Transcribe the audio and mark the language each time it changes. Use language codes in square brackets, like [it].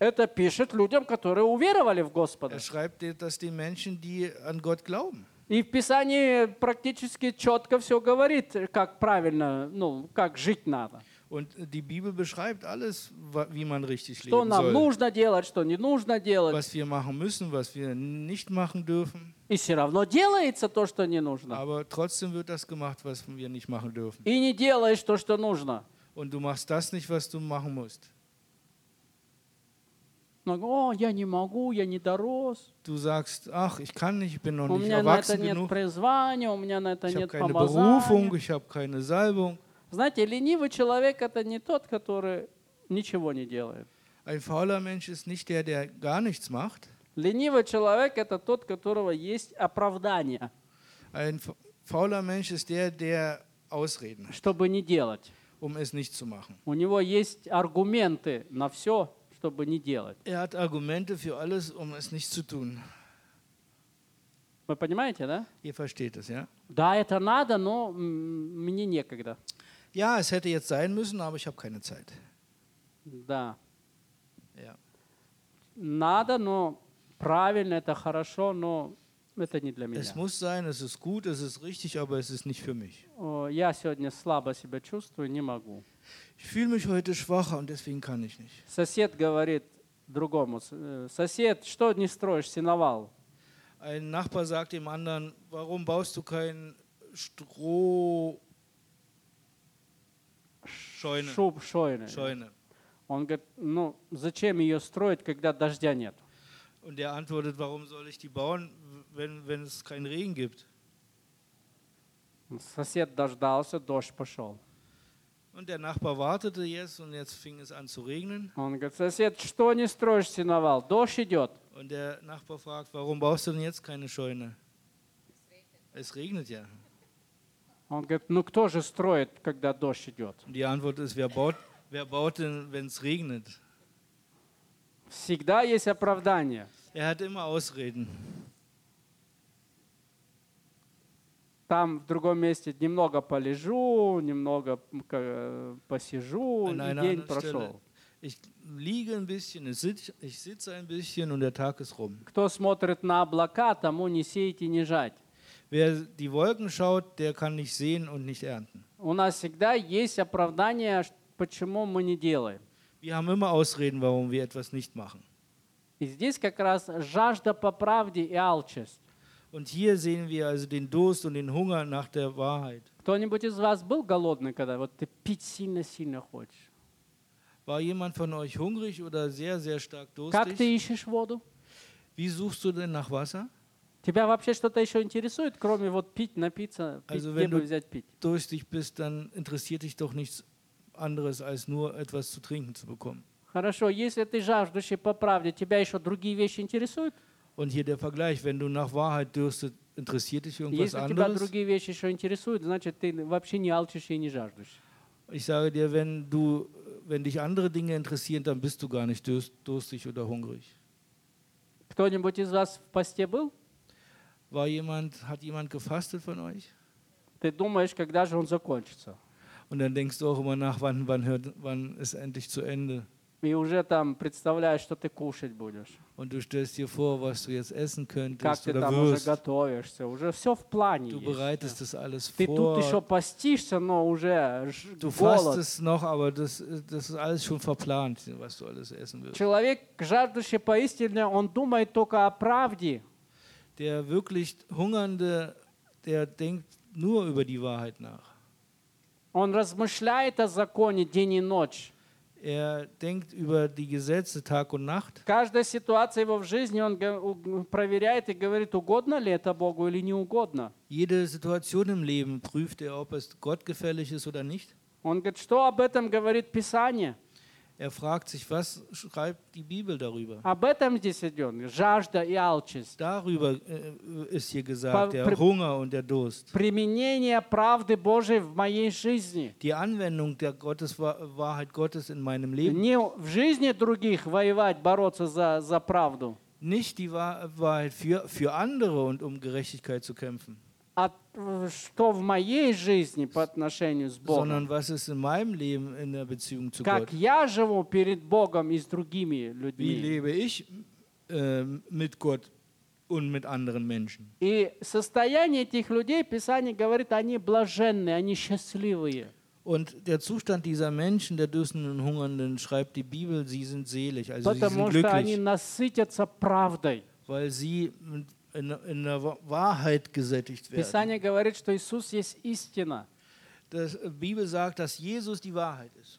[ru] Это пишет людям, которые уверовали в Господа. [de] Er schreibt das den Menschen, die an Gott glauben. [ru] И в Писании практически четко все говорит, как правильно, ну, как жить надо. [de] Und die Bibel beschreibt alles, wie man richtig leben soll. [ru] Что нам [de] soll. [ru] Нужно делать, что не нужно делать. [de] Was wir machen müssen, was wir nicht machen dürfen. [ru] И все равно делается то, что не нужно. [de] Aber trotzdem wird das gemacht, was wir nicht machen dürfen. [ru] И не делаешь то, что нужно. [de] Und du machst das nicht, was du machen musst. [ru] я не могу, я не дорос. [de] Du sagst, ach, ich kann nicht, ich bin noch [ru] у [de] nicht erwachsen genug. [ru] Призвания, у меня на это [de] ich [ru] нет [de] keine [ru] помазания. [de] Berufung, ich habe keine Salbung. [ru] Знаете, ленивый человек это не тот, который ничего не делает. [de] Ein fauler Mensch ist nicht der, der gar nichts macht. [ru] Ленивый человек это тот, у которого есть оправдание. [de] Ein fauler Mensch ist der, der Ausreden hat. [ru] Чтобы не делать. [de] Um es nicht zu machen. [ru] У него есть аргументы на все, чтобы не делать. [de] Er hat Argumente für alles, um es nicht zu tun. [ru] Вы понимаете, да? [de] Ihr versteht es, ja? [ru] Да, это надо, но мне некогда. [de] Ja, es hätte jetzt sein müssen, aber ich habe keine Zeit. [ru] Да. [de] Ja. [ru] Надо, но правильно, это хорошо, но это не для меня. [de] Es muss sein, es ist gut, es ist richtig, aber es ist nicht für mich. [ru] Я сегодня слабо себя чувствую, не могу. [de] Ich fühle mich heute schwacher und deswegen kann ich nicht. [ru] Сосед говорит другому: Сосед, что не строишь, сеновал? [de] Ein Nachbar sagt dem anderen: Warum baust du kein Stroh? Scheune. Шуб-шойне. Scheune. [ru] Он говорит: Ну, зачем ее строить, когда дождя нет? [de] Und er antwortet: Warum soll ich die bauen, wenn es keinen Regen gibt? [ru] Сосед дождался, дождь пошел. [de] Und der Nachbar wartete jetzt und jetzt fing es an zu regnen. [ru] Он говорит: Сосед, что не строишь сеновал? Дождь идет. [de] Und der Nachbar fragt: Warum baust du denn jetzt keine Scheune? Es regnet ja. [ru] Он говорит: Ну кто же строит, когда дождь идет? [de] Die Antwort ist: Wer baut denn, wenn es regnet? [ru] Всегда есть оправдание. [de] Er hat immer Ausreden. [ru] Там в другом месте немного полежу, немного посижу, день прошел. [de] Ich liege ein bisschen, ich sitze ein bisschen und der Tag ist rum. [ru] Кто смотрит на облака, тому не сеять и не жать. [de] Wer die Wolken schaut, der kann nicht sehen und nicht ernten. [ru] У нас всегда есть оправдание, почему мы не делаем. [de] Wir haben immer Ausreden, warum wir etwas nicht machen. [ru] И здесь как раз жажда по правде и алчность. [de] Und hier sehen wir also den Durst und den Hunger nach der Wahrheit. [ru] Кто-нибудь из вас был голодный, когда вот ты пить сильно хочешь? [de] War jemand von euch hungrig oder sehr, sehr stark durstig? [ru] Как ты ищешь воду? [de] Wie suchst du denn nach Wasser? [ru] Тебя вообще что-то еще интересует, кроме вот пить, напиться, [de] also, [ru] пить, где бы взять пить? [de] Wenn du durstig bist, dann interessiert dich doch nichts anderes, als nur etwas zu trinken zu bekommen. [ru] Хорошо, если ты жаждущий по правде, тебя еще другие вещи интересуют? [de] Und hier der Vergleich, wenn du nach Wahrheit dürstest, interessiert dich irgendwas anderes? [ru] Если тебя другие вещи еще интересуют, значит, ты вообще не алчишь и не жаждешь. [de] Ich sage dir, wenn dich andere Dinge interessieren, dann bist du gar nicht durstig oder hungrig. [ru] Кто-нибудь из вас в посте был? [de] Hat jemand gefastet von euch? [ru] Ты думаешь, когда же он закончится? [de] Und dann denkst du auch immer nach, wann ist endlich zu Ende? [ru] И уже там представляешь, что ты кушать будешь. [de] Und du stellst dir vor, was du jetzt essen könntest [ru] как ты [de] oder [ru] там [de] wirst. [ru] Уже готовишься, уже все в плане [de] du [ru] есть. [de] Bereitest das alles [ru] ты [de] vor. [ru] Тут еще постишься, но уже [de] du [ru] голод. [de] Fastest noch, aber das ist alles schon verplant, was du alles essen wirst. [ru] Человек, жаждущий поистине, он думает только о правде. [de] Der wirklich Hungernde, der denkt nur über die Wahrheit nach. [ru] Он размышляет о законе день и ночь. [de] Er denkt über die Gesetze Tag und Nacht. [ru] Каждая ситуация его в жизни он проверяет и говорит, угодно ли это Богу или не угодно. [de] Jede Situation im Leben prüft er, ob es Gott gefällig ist oder nicht. [ru] Он говорит, что об этом говорит Писание? [de] Er fragt sich, was schreibt die Bibel darüber? [ru] Об этом здесь идет, жажда и алчность. [de] Darüber ist hier gesagt, der Hunger und der Durst. [ru] Применение правды Божией в моей жизни. [de] Die Anwendung der Wahrheit Gottes in meinem Leben. [ru] Не в жизни других воевать, бороться за правду. [de] Nicht die Wahrheit für andere und um Gerechtigkeit zu kämpfen. [ru] А что в моей жизни по отношению с Богом? [de] Sondern was ist in meinem Leben in der Beziehung zu Gott? [ru] Как я живу перед Богом и с другими людьми? [de] Wie lebe ich mit Gott und mit anderen Menschen? [ru] И состояние этих людей, Писание говорит, они блаженны, они счастливые. [de] Und der Zustand dieser Menschen, der Dürstenden und Hungernden, schreibt die Bibel, sie sind selig, also [ru] потому [de] sie sind glücklich. [ru] Потому что они насытятся правдой. [de] Weil sie in der Wahrheit gesättigt werden. [ru] Писание говорит, что Иисус есть истина. [de] Bibel sagt, dass Jesus die Wahrheit ist.